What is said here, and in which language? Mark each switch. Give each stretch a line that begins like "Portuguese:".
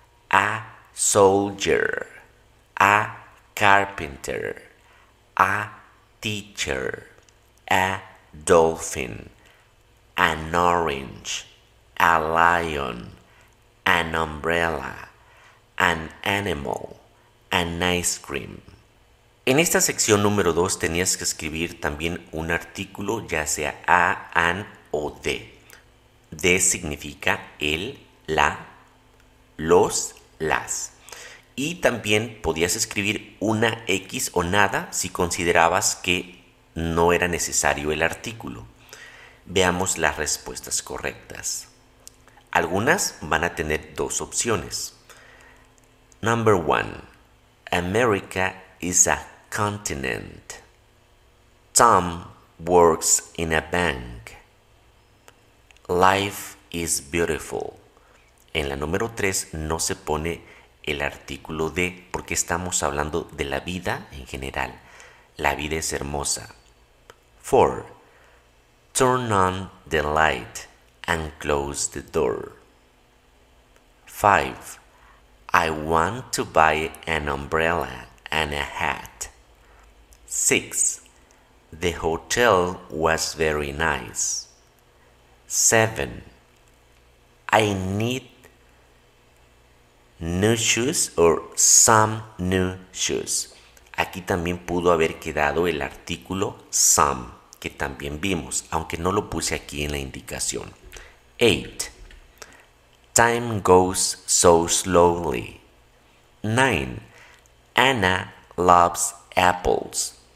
English: a soldier, a carpenter, a teacher, a dolphin, an orange, a lion, an umbrella, an animal, an ice cream.
Spanish: En esta sección número 2 tenías que escribir también un artículo, ya sea a, an o de. De significa el, la, los, las. Y también podías escribir una X o nada si considerabas que no era necesario el artículo. Veamos las respuestas correctas. Algunas van a tener dos opciones.
English: Number one, America is a continent. Tom works in a bank. Life is beautiful.
Spanish: En la número 3 no se pone el artículo de porque estamos hablando de la vida en general. La vida es hermosa. 4.
English: Turn on the light and close the door. 5. I want to buy an umbrella and a hat. 6. The hotel was very nice. 7. I need new shoes or some new shoes.
Spanish: Aquí también pudo haber quedado el artículo some, que también vimos, aunque no lo puse aquí en la indicación.
English: 8. Time goes so slowly. 9. Anna loves apples.